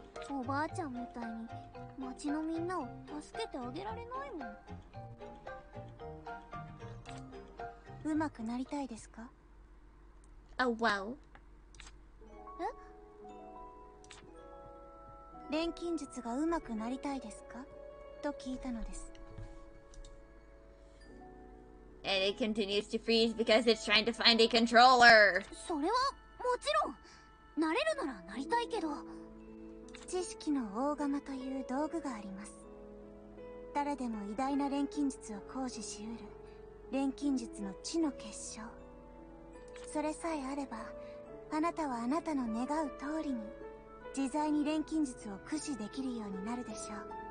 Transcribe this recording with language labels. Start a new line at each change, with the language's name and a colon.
Japanese: おばあちゃんみたいに町のみんなを助けてあげられないもん。うまくなりたいですか？
English: Oh, wow.
Japanese: え？錬金術がうまくなりたいですか？と聞いたのです。
English: And it continues to freeze because it's trying to find a controller.
Japanese: それはもちろん、なれるならなりたいけど。知識の大釜という道具があります。誰でも偉大な錬金術を行使しうる錬金術の地の結晶、それさえあればあなたはあなたの願う通りに自在に錬金術を駆使できるようになるでしょう。